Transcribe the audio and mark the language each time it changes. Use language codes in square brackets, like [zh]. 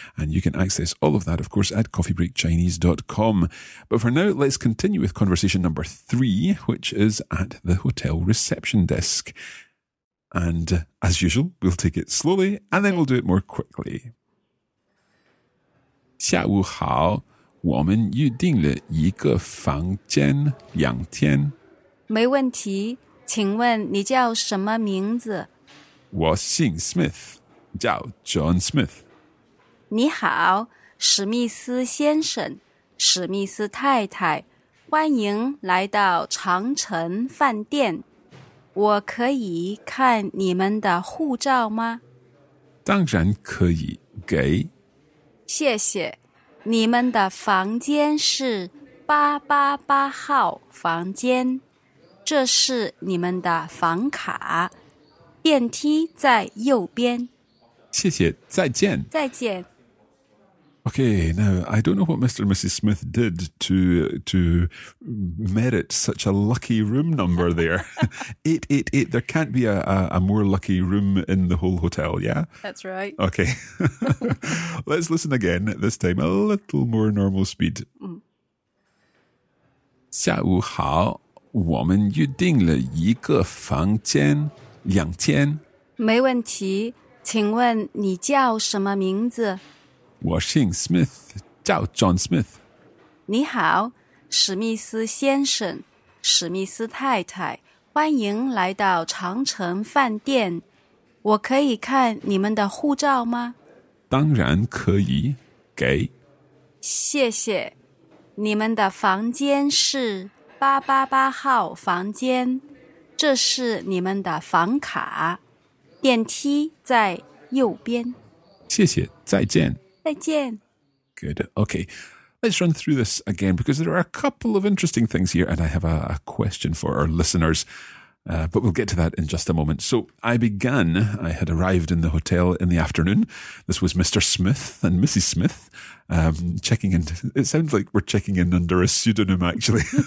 [en] And you can access all of that, of course, at coffeebreakchinese.com. But for now, let's continue with conversation number three, which is at the hotel reception desk. And as usual, we'll take it slowly and then we'll do it more quickly. [zh] 下午好,我们预定了一个房间两天。没问题。请问你叫什么名字？我姓 Smith， 叫 John Smith。你好，史密斯先生，史密斯太太，欢迎来到长城饭店。我可以看你们的护照吗？当然可以，给。谢谢。你们的房间是888号房间，这是你们的房卡，电梯在右边。谢谢，再见。再见。 [en] Okay, now, I don't know what Mr. and Mrs. Smith did to merit such a lucky room number there. 888, there can't be a more lucky room in the whole hotel, yeah? That's right. Okay. Let's listen again, this time a little more normal speed. [zh] 下午好,我们预定了一个房间,两间。没问题,请问你叫什么名字? 我姓 Smith， 叫 John Smith。你好，史密斯先生，史密斯太太，欢迎来到长城饭店。我可以看你们的护照吗？当然可以，给。谢谢。你们的房间是888号房间，这是你们的房卡，电梯在右边。谢谢，再见。再见。 [en] Good. Okay. Let's run through this again, because there are a couple of interesting things here, and I have a question for our listeners, but we'll get to that in just a moment. So I had arrived in the hotel in the afternoon. This was Mr. Smith and Mrs. Smith checking in. It sounds like we're checking in under a pseudonym, actually.